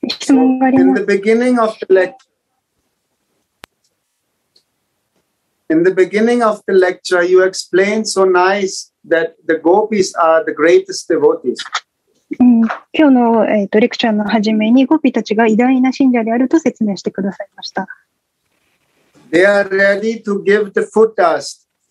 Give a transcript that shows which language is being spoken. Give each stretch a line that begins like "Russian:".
English: In the beginning of the lecture, you explained so nice that the gopis are the greatest devotees.
Japanese: 今日の、レクチャーの始めにゴピたちが偉大な信者であると説明してくださいました。
English: They are ready to give the foot dust.